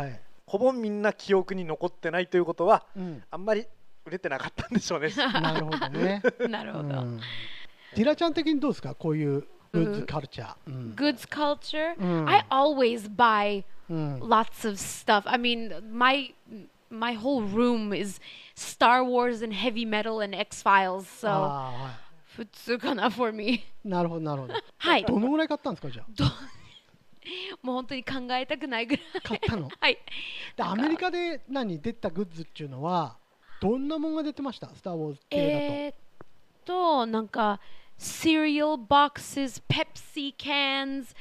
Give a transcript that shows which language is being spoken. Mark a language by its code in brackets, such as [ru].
[ja] はい、ほぼみんな記憶に残ってないということは、うん、あんまり売れてなかったんでしょうね。なるほどね。なるほど、うん、ディラちゃん的にどうですかこういうグッズカルチャー、うん、グッズカルチャー、うん、 [en] I always buy、うん、lots of stuff. I mean, my whole room is Star Wars and heavy metal and X-Files. So、 [ja] はい、普通かな [en] for me. [ja] なるほどなるほど。はい。どのぐらい買ったんですかじゃあ。もう本当に考えたくないぐらい。買ったの。はい。でアメリカで何出たグッズっていうのはどんなものが出てました？スターウォーズ系だと。なんか。 [en] Cereal boxes, Pepsi cans,、